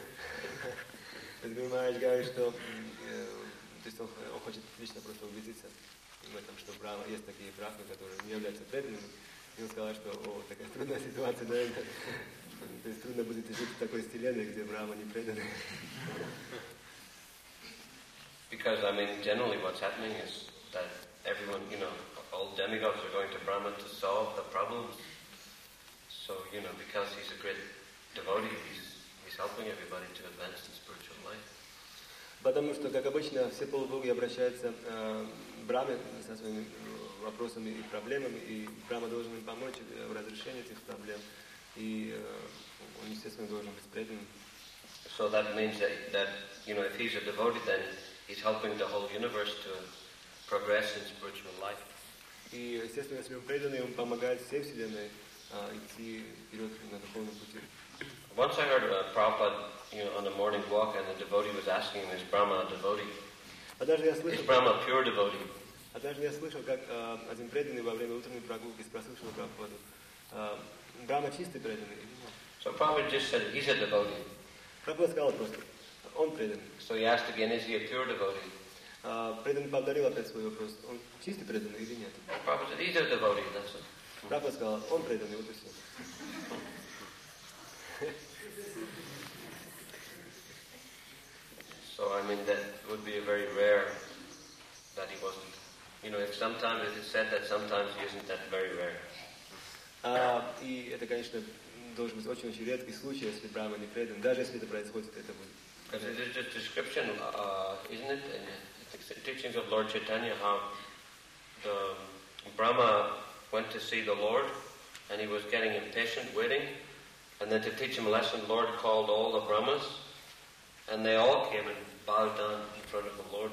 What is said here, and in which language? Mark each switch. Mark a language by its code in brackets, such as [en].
[ru] Что, то есть он хочет лично просто убедиться в этом, что Брахма, есть такие брахмы, которые не являются преданными. И он сказал, что о, такая трудная ситуация, да, это, то есть трудно будет жить в такой вселенной, где Брахма не преданный. [en] Because I mean generally what's happening is that everyone, you know, all demigods are going to Brahma to solve the problems. So, you know, because he's a great devotee, he's helping everybody to advance in spiritual life. [ru] Потому что, как обычно, все полубоги обращаются Браме со своими вопросами и проблемами, и Брама должен им помочь в разрешении этих проблем, и он, естественно, должен быть предан. [en] So that means that, you know, if he's a devotee, then he's helping the whole universe to progress in spiritual life. [ru] И, естественно, если он преданный, он помогает всей Вселенной идти вперед на духовном пути. [en] Once I heard about Prabhupada, you know, on a morning walk, and the devotee was asking him, is Brahma a devotee? Is Brahma a pure devotee? [ru] Однажды я слышал, как один преданный во время утренней прогулки спросил, что Прабхупаду, Брама чистый преданный или нет? [en] So Prabhupada just said, he's a devotee. [ru] Прабхупада сказал просто, он преданный. [en] So he asked again, is he a pure devotee? [ru] Преданный повторил опять свой вопрос, он чистый преданный или нет? [en] Prabhupada said, he's a devotee, that's it. [ru] Прабхупада сказал, он преданный, вот и все. [en] So I mean that would be very rare that he wasn't. You know, if sometimes it is said that sometimes he isn't, that very rare. [ru] И это, конечно, должен быть очень-очень редкий случай, если Брама не предан. Даже если это происходит, это будет. [en] Because it is just description, isn't it? In the teachings of Lord Chaitanya, how the Brahma went to see the Lord, and he was getting impatient, waiting. And then to teach him a lesson, the Lord called all the Brahmas, and they all came and bowed down in front of the Lord.